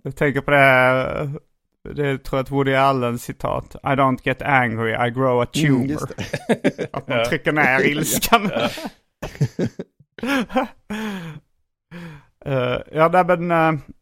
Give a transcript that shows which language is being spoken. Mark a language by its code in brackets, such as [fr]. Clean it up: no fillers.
[sv] Jag tänker på det tror jag att Woody Allen citat. [en] I don't get angry, I grow a tumor. [sv] Mm, just det. Att man trycker ner ilskan.